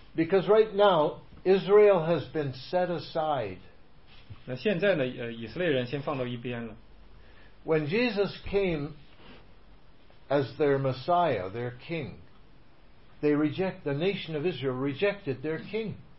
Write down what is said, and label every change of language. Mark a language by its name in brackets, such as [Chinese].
[English] Because right now Israel has been set aside. [Chinese] 那现在呢，以色列人先放到一边了。 [English] When Jesus came as their Messiah, their King. They reject the nation of Israel rejected their king.